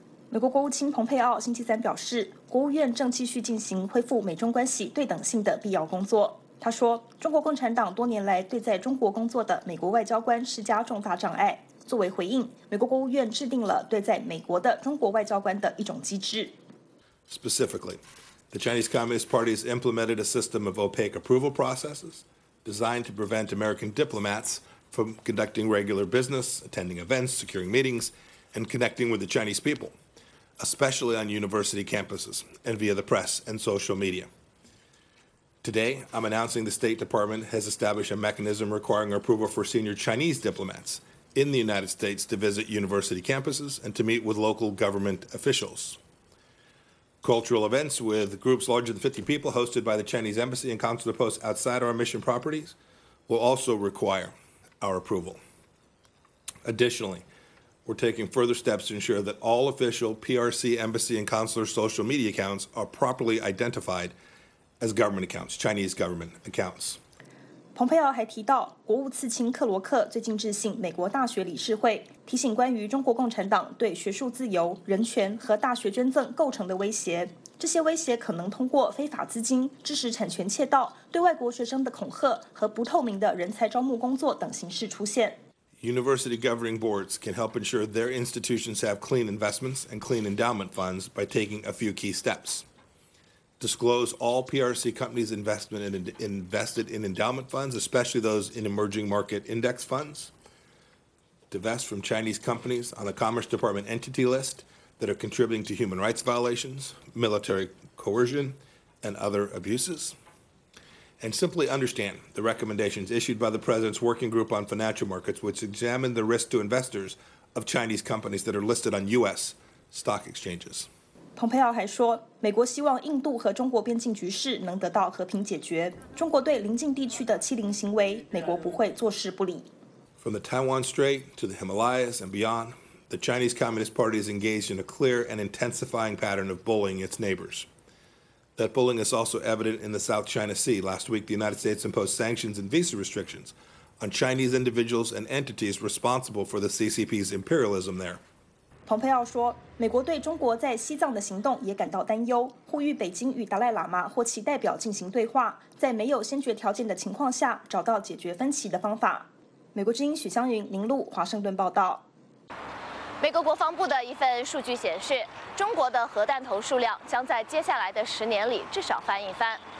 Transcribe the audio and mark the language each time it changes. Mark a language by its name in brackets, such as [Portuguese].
[Chinese] 美国国务卿蓬佩奥星期三表示，国务院正继续进行恢复美中关系对等性的必要工作。他说，中国共产党多年来对在中国工作的美国外交官施加重大障碍。作为回应，美国国务院制定了对在美国的中国外交官的一种机制。 [English] Specifically, the Chinese Communist Party has implemented a system of opaque approval processes designed to prevent American diplomats from conducting regular business, attending events, securing meetings, and connecting with the Chinese people, especially on university campuses and via the press and social media. Today, I'm announcing the State Department has established a mechanism requiring approval for senior Chinese diplomats in the United States to visit university campuses and to meet with local government officials. Cultural events with groups larger than 50 people hosted by the Chinese embassy and consular posts outside our mission properties will also require our approval. Additionally, we're taking further steps to ensure that all official PRC embassy and consular social media accounts are properly identified. As government accounts, Chinese government accounts. [Chinese] 蓬佩奥还提到，国务次卿克罗克最近致信美国大学理事会，提醒关于中国共产党对学术自由、人权和大学捐赠构成的威胁。这些威胁可能通过非法资金、知识产权窃盗、对外国学生的恐吓和不透明的人才招募工作等形式出现。 [English] University governing boards can help ensure their institutions have clean investments and clean endowment funds by taking a few key steps. Disclose all PRC companies' investment in, invested in endowment funds, especially those in emerging market index funds. Divest from Chinese companies on the Commerce Department entity list that are contributing to human rights violations, military coercion, and other abuses. And simply understand the recommendations issued by the President's Working Group on Financial Markets, which examine the risk to investors of Chinese companies that are listed on U.S. stock exchanges. [Chinese] 蓬佩奥还说，美国希望印度和中国边境局势能得到和平解决。中国对邻近地区的欺凌行为，美国不会坐视不理。 [English] From the Taiwan Strait to the Himalayas and beyond, the Chinese Communist Party is engaged in a clear and intensifying pattern of bullying its neighbors. That bullying is also evident in the South China Sea. Last week, the United States imposed sanctions and visa restrictions on Chinese individuals and entities responsible for the CCP's imperialism there. [Chinese] 蓬佩奥说，美国对中国在西藏的行动也感到担忧，呼吁北京与达赖喇嘛或其代表进行对话，在没有先决条件的情况下找到解决分歧的方法。美国之音许湘云、林璐，华盛顿报道。美国国防部的一份数据显示，中国的核弹头数量将在接下来的10年里至少翻一番。